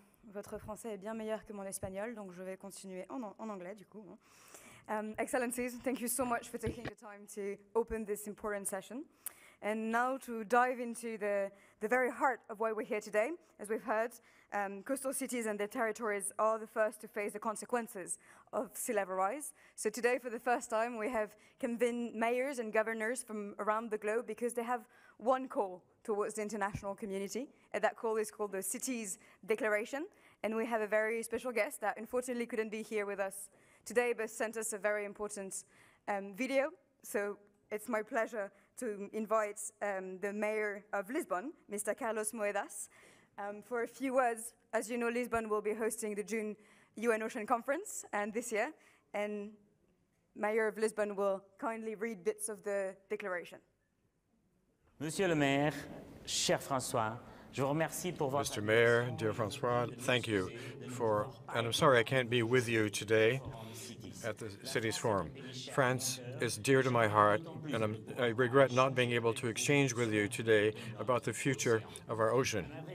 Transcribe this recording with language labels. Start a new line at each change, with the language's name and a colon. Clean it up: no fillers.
French: Votre français est bien meilleur que mon espagnol, donc je vais continuer en anglais, du coup.
English: Excellencies, thank you so much for taking the time to open this important session. And now to dive into the very heart of why we're here today. As we've heard, coastal cities and their territories are the first to face the consequences of sea level rise. So today, for the first time, we have convened mayors and governors from around the globe because they have one call towards the international community. And that call is called the Cities Declaration. And we have a very special guest that unfortunately couldn't be here with us today, but sent us a very important video. So it's my pleasure to invite the mayor of Lisbon, Mr. Carlos Moedas, for a few words. As you know, Lisbon will be hosting the June UN Ocean Conference and this year, and mayor of Lisbon will kindly read bits of the declaration.
French: Monsieur le maire, cher François, je vous remercie pour votre...
English: Mr. Mayor, dear François, thank you for... And I'm sorry I can't be with you today at the Cities Forum. France is dear to my heart, and I regret not being able to exchange with you today about the future of our ocean.